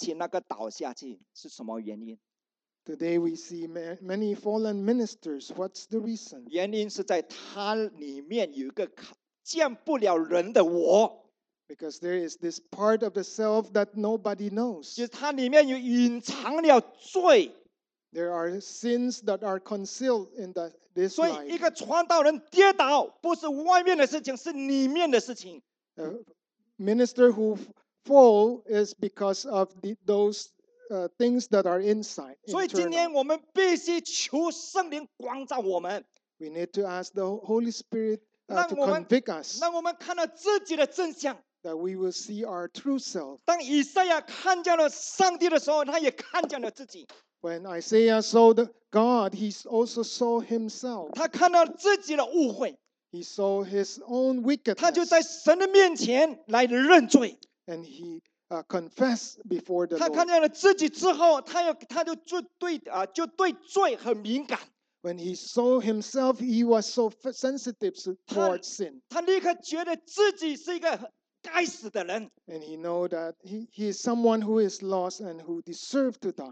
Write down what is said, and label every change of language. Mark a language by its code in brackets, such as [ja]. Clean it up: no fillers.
[zh] 那今天许多时候我们看到有些传道人这个倒下去，那个倒下去是什么原因？ [en] Today we see many fallen ministers. What's the reason? [zh] 原因是在他里面有一个见不了人的我。 [en] Because there is this part of the self that nobody knows. [zh] 就是他里面有隐藏了罪。 [en] There are sins that are concealed in this life. [zh] 所以一个传道人跌倒，不是外面的事情，是里面的事情。 [en] A minister who fall is because of those things that are inside. [zh] 所以今天我们必须求圣灵光照我们。 [en] We need to ask the Holy Spirit to convict us. [zh] 让我们看到自己的真相。 [en] That we will see our true self. [zh] 当以赛亚看见了上帝的时候, 他也看见了自己。 [en] When Isaiah saw God, he also saw himself. [zh] 他看到自己的误会。 [en] He saw his own wickedness. [zh] 他就在神的面前来认罪。 [en] And he confess before the Lord. [zh] 他看见了自己之后, 他就对罪很敏感。 [en] When he saw himself, he was so sensitive towards sin. [zh] 他立刻觉得自己是一个该死的人。 [en] And he know that he is someone who is lost and who deserved to die.